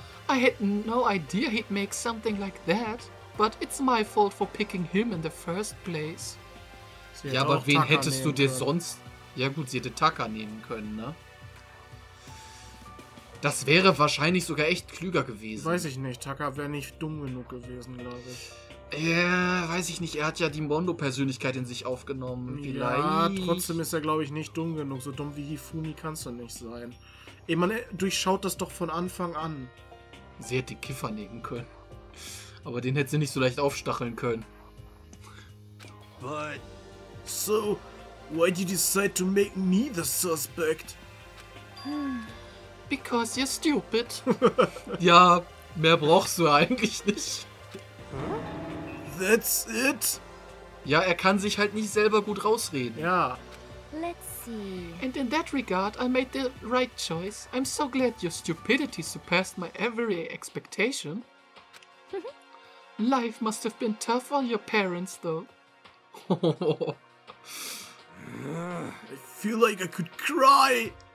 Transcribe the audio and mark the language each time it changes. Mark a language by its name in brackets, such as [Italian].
[English] I had no idea he'd make something like that, but it's my fault for picking him in the first place. [German] Ja, aber wen hättest du dir sonst... Ja gut, sie hätte Taka nehmen können, ne? Das wäre wahrscheinlich sogar echt klüger gewesen. Weiß ich nicht, Taka wäre nicht dumm genug gewesen, glaube ich. Ja, weiß ich nicht, er hat ja die Mondo-Persönlichkeit in sich aufgenommen. Vielleicht. Ja, trotzdem ist er, glaube ich, nicht dumm genug. So dumm wie Hifumi kannst du nicht sein. Ey, man durchschaut das doch von Anfang an. Sie hätte Kiffer nehmen können. Aber den hätte sie nicht so leicht aufstacheln können. [English] But so, why did you decide to make me the suspect? Because you're stupid. [German] Ja, mehr brauchst du eigentlich nicht. [English] That's it? [German] Ja, er kann sich halt nicht selber gut rausreden. Ja. [English] Let's see. And in that regard, I made the right choice. I'm so glad your stupidity surpassed my every expectation. Life must have been tough on your parents, though. I feel like I could cry.